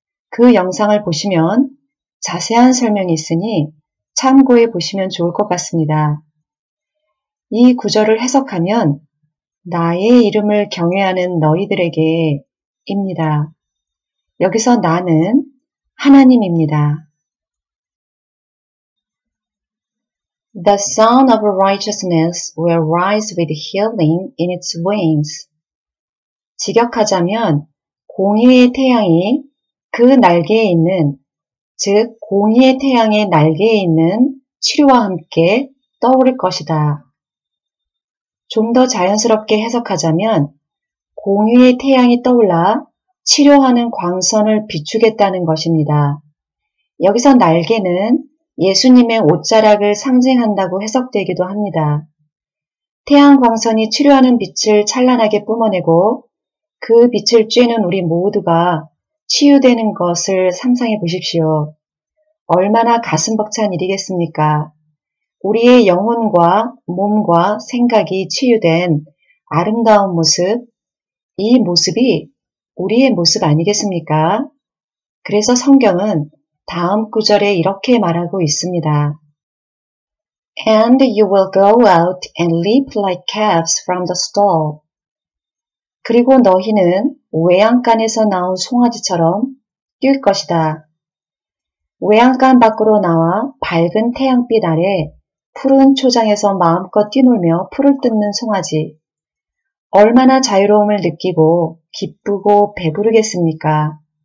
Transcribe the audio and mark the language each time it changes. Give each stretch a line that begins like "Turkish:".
Korean: 그 영상을 보시면 자세한 설명이 있으니 참고해 보시면 좋을 것 같습니다. 이 구절을 해석하면 나의 이름을 경외하는 너희들에게 입니다. 여기서 나는 하나님입니다.
English: The Sun of Righteousness will rise with healing in its wings.
Korean: 직역하자면 공의의 태양이 그 날개에 있는 즉 공의의 태양의 날개에 있는 치료와 함께 떠오를 것이다. 좀 더 자연스럽게 해석하자면 공의의 태양이 떠올라 치료하는 광선을 비추겠다는 것입니다. 여기서 날개는 예수님의 옷자락을 상징한다고 해석되기도 합니다. 태양 광선이 치료하는 빛을 찬란하게 뿜어내고 그 빛을 쬐는 우리 모두가 치유되는 것을 상상해 보십시오. 얼마나 가슴 벅찬 일이겠습니까? 우리의 영혼과 몸과 생각이 치유된 아름다운 모습, 이 모습이 우리의 모습 아니겠습니까? 그래서 성경은 다음 구절에 이렇게 말하고 있습니다.
English: And you will go out and leap like calves from the stall.
Korean: 그리고 너희는 외양간에서 나온 송아지처럼 뛸 것이다. 외양간 밖으로 나와 밝은 태양빛 아래 푸른 초장에서 마음껏 뛰놀며 풀을 뜯는 송아지. 얼마나 자유로움을 느끼고 기쁘고 배부르겠습니까?